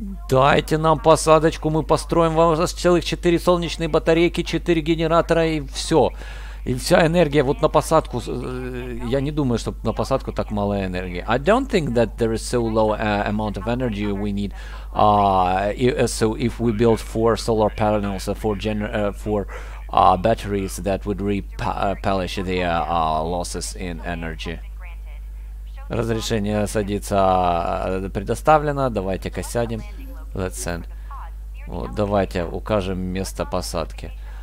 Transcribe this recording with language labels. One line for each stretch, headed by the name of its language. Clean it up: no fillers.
Russian: Дайте нам посадочку, мы построим вам целых 4 солнечные батарейки, 4 генератора и все. И вся энергия вот на посадку. Я не думаю, что на посадку так мало энергии.
English: I don't think that there is so low amount of energy we need. So if we build 4 solar panels, 4 batteries, that would replenish the losses in energy.
Russian: Разрешение садиться предоставлено, давайте-ка сядем.
English: Let's send.
Russian: Вот, давайте укажем место посадки.